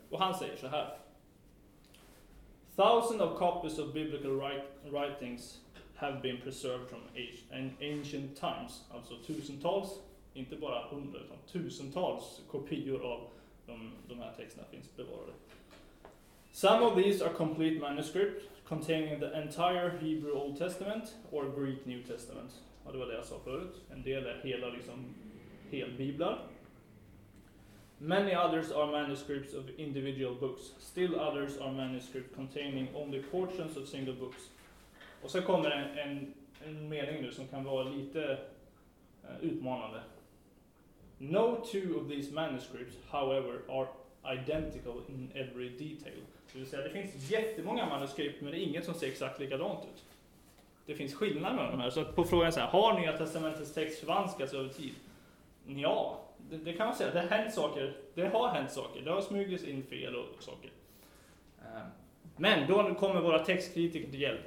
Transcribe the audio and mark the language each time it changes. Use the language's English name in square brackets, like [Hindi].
[Swedish] Och han säger så här: [English] Thousands of copies of biblical writings have been preserved from ancient times. [Swedish] Alltså tusentals, inte bara hundra, utan tusentals kopior av de här texterna finns bevarade. [English] Some of these are complete manuscripts containing the entire Hebrew Old Testament or Greek New Testament. [Swedish] Ja, det var det jag sa förut. En del är hela liksom helbiblar. [English] Many others are manuscripts of individual books. Still others are manuscripts containing only portions of single books. [Swedish] Och så kommer en mening nu som kan vara lite utmanande. [English] No two of these manuscripts, however, are identical in every detail. [Swedish] Det vill säga, det finns jättemånga manuskript, men det är inget som ser exakt likadant ut. Det finns skillnader mellan de här. Så på frågan så här, har Nya Testamentets text förvanskats över tid? Ja, det kan man säga. Det har hänt saker. Det har hänt saker. Det har smugits in fel och saker. Men då kommer våra textkritiker till hjälp.